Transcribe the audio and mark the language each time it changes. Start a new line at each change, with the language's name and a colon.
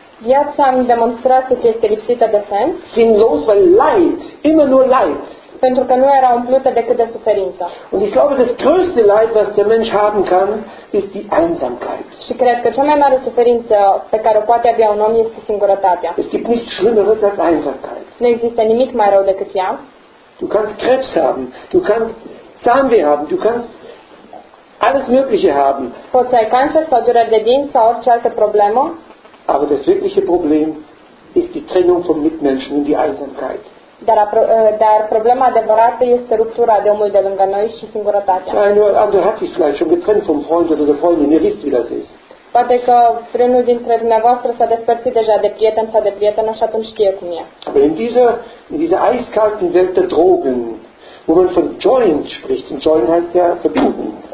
Romanian: Viața am demonstrat că este lipsită de sens.
German: Sinnlos, weil Leid, immer nur Leid.
Romanian: Pentru că nu era umplută decât de suferință.
German: Und ich glaube, das größte Leid, was der Mensch haben kann, ist die Einsamkeit.
Romanian: Și cred că cea mai mare suferință pe care o poate avea un om este singurătatea.
German: Es gibt nichts Schlimmeres als Einsamkeit.
Romanian: Nu există nimic mai rău decât ea.
German: Du kannst Krebs haben, du kannst Zahnweh haben, du kannst alles Mögliche haben.
Romanian: Poți să ai cancer sau dureri de dinți sau orice altă problemă.
German: Aber das wirkliche Problem ist die Trennung von Mitmenschen und die Einsamkeit.
Romanian: Dar problema adevărată este ruptura de omul de lângă noi și singurătatea.
German: Ja, nur also hat sich vielleicht schon getrennt vom Freund oder der Freundin, ihr wisst, wie das ist.
Romanian: Poate că vreunul dintre dumneavoastră s-a despărțit deja de prieten sau de prietenă și atunci știe cum e.
German: Aber in dieser eiskalten Welt der Drogen, wo man von Joint spricht, und Joint heißt ja verbieten.